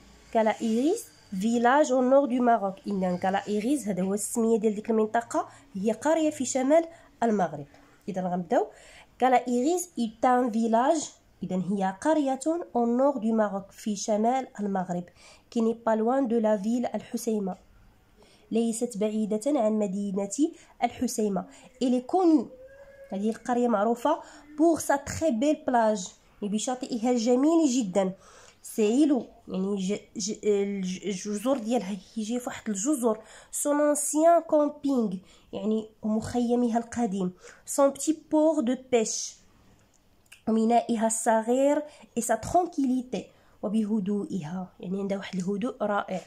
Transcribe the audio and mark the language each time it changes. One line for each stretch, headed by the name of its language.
French: Kala Iris, village au nord du Maroc. Donc Kala Iris, c'est le nom de cette région, qui est une ville dans le sud du Maroc. Et dans cette lecture, Kala Iris est un village.
Arabic: إذن هي قرية
French: au nord du Maroc
Arabic: في شمال المغرب
French: qui n'est pas loin de la ville الحسيمة.
Arabic: ليست بعيدة عن مدينة الحسيمة.
French: Elle est connue.
Arabic: هذه القرية معروفة
French: pour sa très belle plage.
Arabic: بشاطئها الجميل جدا. سيلو يعني الجزر ديالها، يجي في واحد الجزر.
French: Son ancien camping
Arabic: يعني مخيمها القديم.
French: Son petit port de pêche.
Arabic: ومنائها الصغير
French: اي سا ترونكيليتي
Arabic: وبهدوئها، يعني عندها واحد الهدوء رائع.